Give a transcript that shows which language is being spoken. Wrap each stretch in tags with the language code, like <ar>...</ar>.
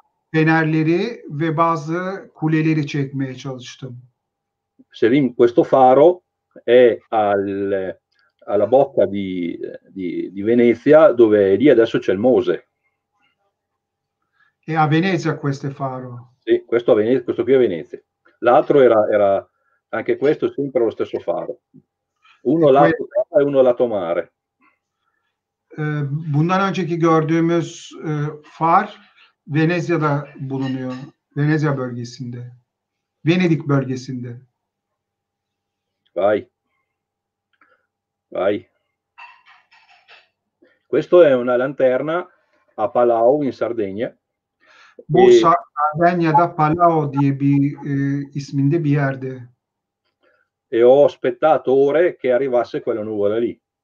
<tr>fenerleri ve bazı kuleleri çekmeye çalıştım.</tr> <it>Selim, questo faro è alla bocca di Venezia, dove lì adesso c'è il Mose. E a Venezia questo faro? Sì, questo a Venezia, questo qui a Venezia. L'altro era anche questo sempre lo stesso faro. Uno lato terra e uno lato mare.</it> <tr>Bundan önceki gördüğümüz far Venezia'da bulunuyor. Venezia bölgesinde. Venedik bölgesinde.</tr> <it>Vai. Vai. Questo è una lanterna a Palau in Sardegna.</it> <tr>Bu Sardegna'da Palau diye bir isminde bir yerde.</tr> <it>E ho aspettato ore che arrivasse quella nuvola lì.</it>